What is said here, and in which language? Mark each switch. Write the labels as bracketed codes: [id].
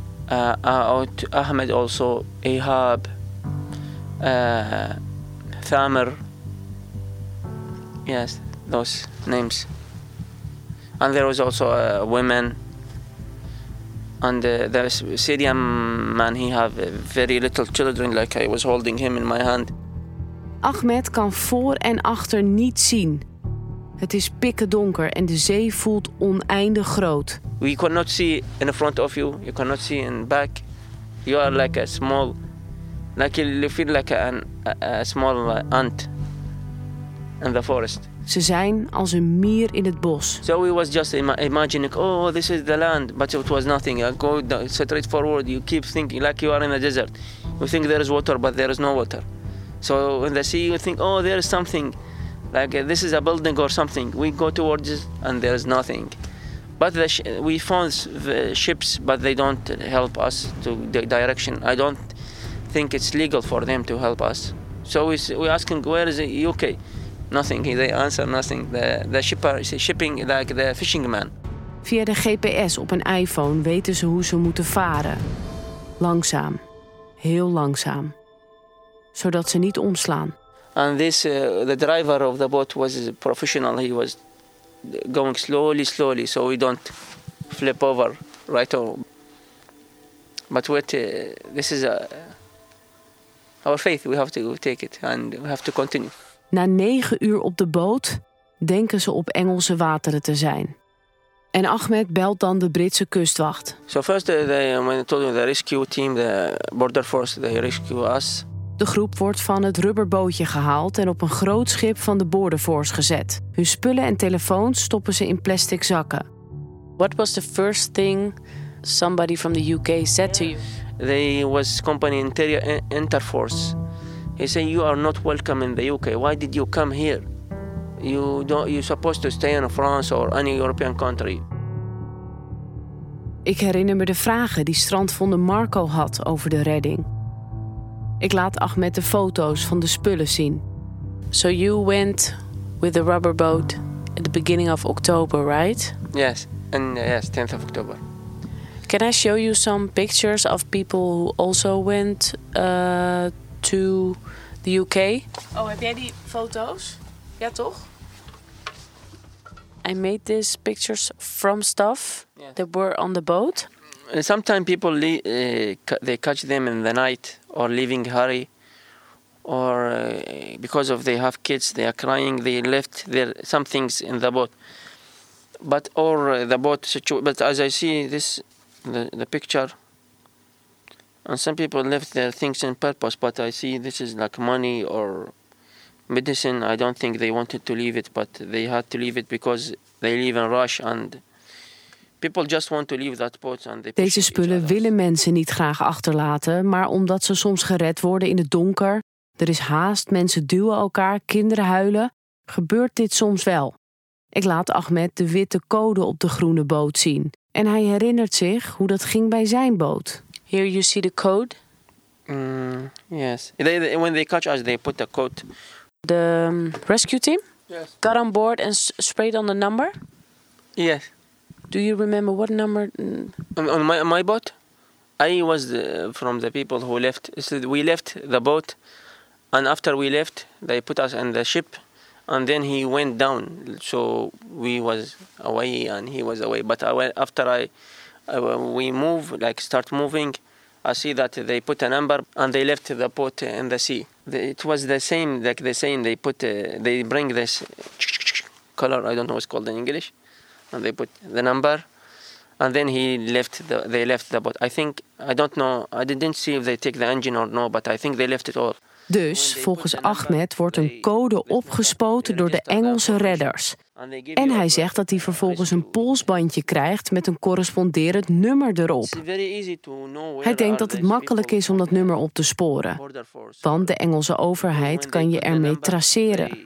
[en] Ahmed also, Ahab, Thamer, yes, those names. And there was also a woman, and the Syrian man, he have very little children, like I was holding him in my hand. [nl] Ahmed kan voor en achter niet zien. Het is pikken donker en de zee voelt oneindig groot. [en] We cannot see in front of you. You cannot see in back. You are like a small, like you feel like a small ant in the forest. [nl] Ze zijn als een mier in het bos. [en] So we was just imagining, oh, this is the land, but it was nothing. You go straight forward. You keep thinking like you are in a desert. You think there is water, but there is no water. So in the sea, you think, oh, there is something, like this is a building or something. We go towards it and there is nothing. But we found the ships, but they don't help us to the direction. I don't think it's legal for them to help us. So we ask them, where is the UK? Nothing. They answer nothing. The shipping, like the fishingman. [nl] Via de GPS op een iPhone weten ze hoe ze moeten varen. Langzaam. Heel langzaam. Zodat ze niet omslaan. [en] And this the driver of the boat was professional. He was going slowly, so we don't flip over right on. But what this is our faith. We have to take it and we have to continue. [nl] Na 9 uur op de boot denken ze op Engelse wateren te zijn. En Ahmed belt dan de Britse kustwacht. [en] So first when I told you the rescue team, the border force, they rescue us. [nl] De groep wordt van het rubberbootje gehaald en op een groot schip van de Border Force gezet. Hun spullen en telefoons stoppen ze in plastic zakken. [en] What was the first thing somebody from the UK said to you? They was company Interior Interforce. He said, you are not welcome in the UK. Why did you come here? You're supposed to stay in France or any European country. [nl] Ik herinner me de vragen die strandvonder Marco had over de redding. Ik laat Ahmed de foto's van de spullen zien. [en] So you went with the rubber boat at the beginning of October, right? Yes, and yes, 10th of October. Can I show you some pictures of people who also went to the UK? [nl] Oh, heb jij die foto's? Ja, toch? [en] I made these pictures from stuff, yes, that were on the boat. Sometimes people they catch them in the night or leaving hurry, or because of they have kids, they are crying. They left their some things in the boat, but or the boat situation. But as I see this, the picture. And some people left their things in purpose, but I see this is like money or medicine. I don't think they wanted to leave it, but they had to leave it because they leave in rush and people just want to leave that boat. And they [nl] deze spullen willen mensen niet graag achterlaten, maar omdat ze soms gered worden in het donker, er is haast, mensen duwen elkaar, kinderen huilen, gebeurt dit soms wel. Ik laat Ahmed de witte code op de groene boot zien en hij herinnert zich hoe dat ging bij zijn boot. [en] Here you see the code. Yes. They, when they catch us, they put the code. The rescue team? Yes. Got on board and sprayed on the number? Yes. Do you remember what number? On my boat? I was from the people who left. So we left the boat. And after we left, they put us in the ship. And then he went down. So we was away and he was away. But we move, like start moving. I see that they put a number and they left the boat in the sea. It was the same, like the same. They put, they bring this color, I don't know what's called in English, and they put the number, and then they left the boat. I think, I don't know, I didn't see if they take the engine or no, but I think they left it all. [nl] Dus, volgens Ahmed, wordt een code opgespoten door de Engelse redders. En hij zegt dat hij vervolgens een polsbandje krijgt met een corresponderend nummer erop. Hij denkt dat het makkelijk is om dat nummer op te sporen. Want de Engelse overheid kan je ermee traceren.